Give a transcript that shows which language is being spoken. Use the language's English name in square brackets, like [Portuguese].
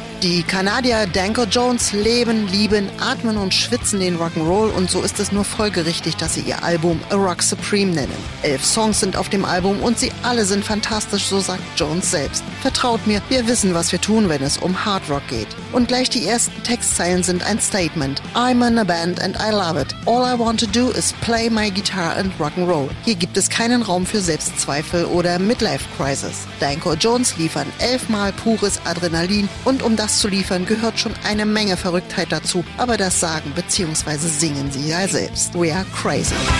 [German] Die Kanadier Danko Jones leben, lieben, atmen und schwitzen den Rock'n'Roll und so ist es nur folgerichtig, dass sie ihr Album A Rock Supreme nennen. 11 Songs sind auf dem Album und sie alle sind fantastisch, so sagt Jones selbst. Vertraut mir, wir wissen, was wir tun, wenn es um Hard Rock geht. Und gleich die ersten Textzeilen sind ein Statement. [English] I'm in a band and I love it. All I want to do is play my guitar and Rock'n'Roll. [German] Hier gibt es keinen Raum für Selbstzweifel oder Midlife-Crisis. Danko Jones liefern 11-mal pures Adrenalin und um das zu liefern, gehört schon eine Menge Verrücktheit dazu, aber das sagen bzw. singen sie ja selbst. [English] We are crazy.